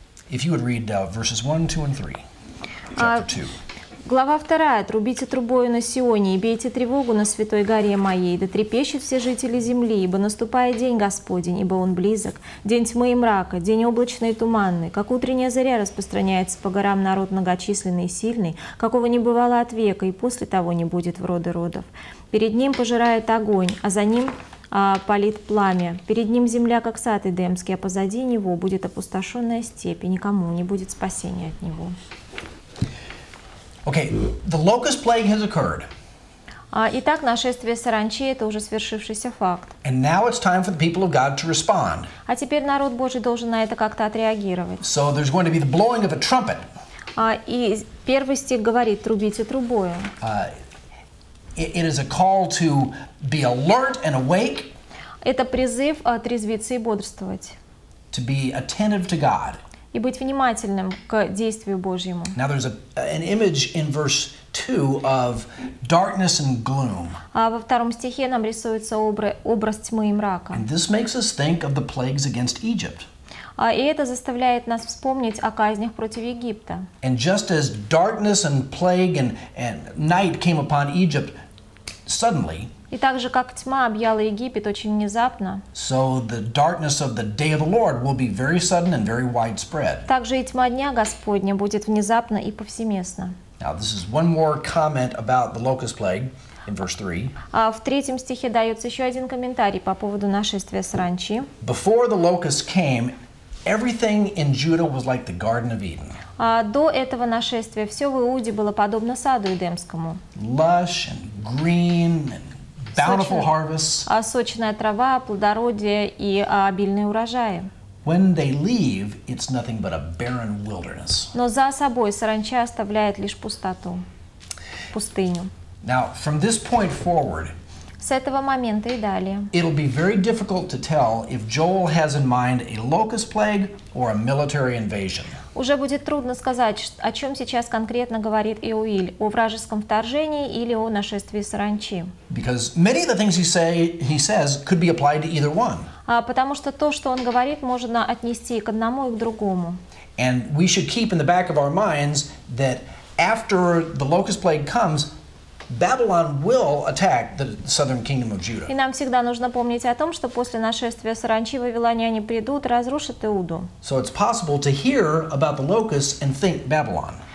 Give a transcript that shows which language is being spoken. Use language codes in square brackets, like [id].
[en] If you would read verses 1, 2, and 3. Chapter 2. [ru] Глава 2. «Трубите трубою на Сионе, и бейте тревогу на святой горе моей, да трепещут все жители земли, ибо наступает день Господень, ибо он близок, день тьмы и мрака, день облачный и туманный, как утренняя заря распространяется по горам народ многочисленный и сильный, какого не бывало от века, и после того не будет в роды родов. Перед ним пожирает огонь, а за ним палит пламя. Перед ним земля, как сад Эдемский, а позади него будет опустошенная степь, и никому не будет спасения от него». [en] Okay, the locust plague has occurred. [ru] Итак, нашествие саранчи — это уже свершившийся факт. [en] And now it's time for the people of God to respond. [ru] А теперь народ Божий должен на это как-то отреагировать. [en] So there's going to be the blowing of a trumpet. [ru] И первый стих говорит: трубите трубою. [en] It is a call to be alert and awake. [ru] Это призыв трезвиться и бодрствовать. [en] To be attentive to God. [ru] И быть внимательным к действию Божьему. [en] Now there's an image in verse 2 of darkness and gloom. [ru] Во втором стихе нам рисуется образ тьмы и мрака. [en] And this makes us think of the plagues against Egypt. [ru] И это заставляет нас вспомнить о казнях против Египта. [en] And just as darkness and plague and night came upon Egypt suddenly. [ru] И так же, как тьма объяла Египет очень внезапно, [en] so the darkness of the day of the Lord will be very sudden and very widespread. [ru] Так же и тьма дня Господня будет внезапно и повсеместно. [en] Now this is one more comment about the locust plague in verse 3. [ru] В третьем стихе дается еще один комментарий по поводу нашествия саранчи. [en] Before the locust came, everything in Judah was like the Garden of Eden. [ru] До этого нашествия все в Иуде было подобно саду Эдемскому. [en] Lush and green and bountiful harvests. [ru] Сочная трава, плодородие и обильные урожаи. [en] When they leave, it's nothing but a barren wilderness. [ru] Но за собой саранча оставляет лишь пустоту, пустыню. [en] Now, from this point forward, [ru] с этого момента и далее, [en] it'll be very difficult to tell if Joel has in mind a locust plague or a military invasion. [ru] Уже будет трудно сказать, о чем сейчас конкретно говорит Иоиль, о вражеском вторжении или о нашествии саранчи. [en] Because many of the things he says could be applied to either one. [ru] Потому что то, что он говорит, можно отнести и к одному, и к другому. [en] And we should keep in the back of our minds that after the locust plague comes, Babylon will attack the southern kingdom of Judah. [ru] И нам всегда нужно помнить о том, что после нашествия саранчи вавилоняне придут, разрушат Иуду. [en] So it's possible to hear about the locusts and think Babylon.